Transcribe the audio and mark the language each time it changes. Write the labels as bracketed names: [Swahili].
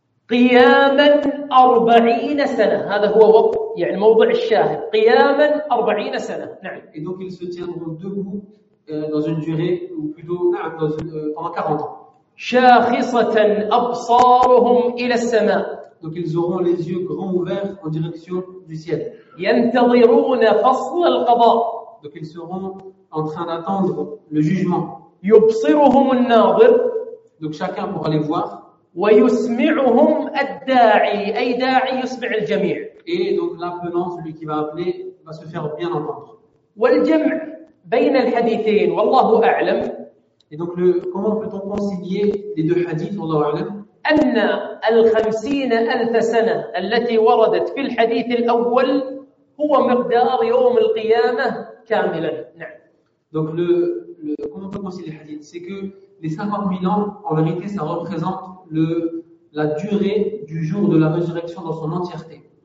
[Arabic] قياما 40 سنة, هذا هو وقت, يعني موضع الشاهد, قياما 40 سنة. نعم. [French] Et donc ils se tiendront debout dans une durée, ou plutôt pendant 40 ans. [Arabic] شاخصة أبصارهم إلى السماء. [French] Donc ils auront les yeux grands ouverts en direction du ciel. [Arabic] ينتظرون فصل القضاء. [French] Donc ils seront en train d'attendre le jugement. [Arabic] يبصرهم الناظر. [French] Donc chacun pourra les voir. [Arabic] ويسمعهم الداعي, أي داعي يسمع الجميع. [French] Et donc l'appelant, celui qui va appeler, va se faire bien entendre. [Arabic] والجمع بين الحديثين والله أعلم. [French] Et donc comment peut-on concilier les deux hadiths, [Arabic] والله أعلم. أن الخمسين ألف سنة التي وردت في الحديث الأول هو مقدار يوم القيامة كاملا. نعم. [French] Donc comment peut-on concilier les hadiths, c'est que les 50,000 ans, en vérité, ça représente la durée du jour de la résurrection dans son entièreté.